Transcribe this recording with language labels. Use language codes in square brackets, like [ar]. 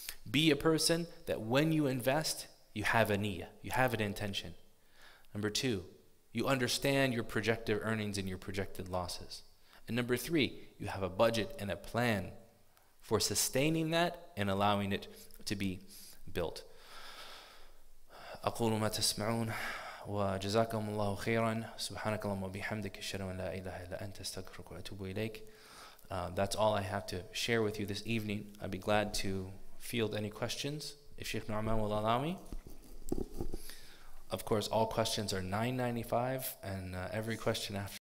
[en] Be a person that when you invest, you have a niyyah, you have an intention. Number two, you understand your projected earnings and your projected losses. And number three, you have a budget and a plan for sustaining that and allowing it to be built. [ar] أقول ما تسمعون وجزاكم الله خيرا سبحانك اللهم وبحمدك اشهد ان لا اله الا انت استغفرك واتوب اليك. [en] That's all I have to share with you this evening. I'd be glad to field any questions if Sheikh Nu'man will allow me. Of course, all questions are $9.95 and every question after